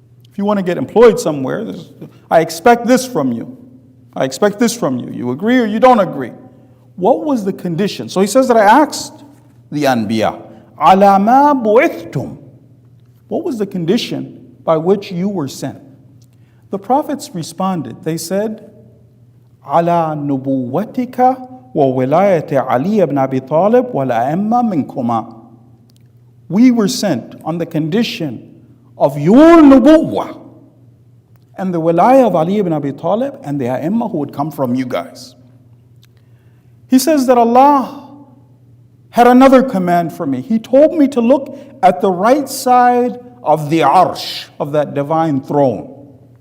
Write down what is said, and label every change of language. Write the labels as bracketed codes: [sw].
[en] If you want to get employed somewhere, I expect this from you. I expect this from you. You agree or you don't agree? What was the condition? So he says that I asked the Anbiya, [ar] عَلَى مَا بُعِثْتُمْ. [en] What was the condition by which you were sent? The prophets responded. They said, [ar] عَلَى نُبُوَّتِكَ وَوِلَايَةِ عَلِيَ بْنَ أَبِي طَالِبٍ وَالْأَئِمَّةِ مِنْكُمَا. [en] We were sent on the condition of your nubuwa and the wilayah of Ali ibn Abi Talib and the a'imma who would come from you guys. He says that Allah had another command for me. He told me to look at the right side of the arsh, of that divine throne.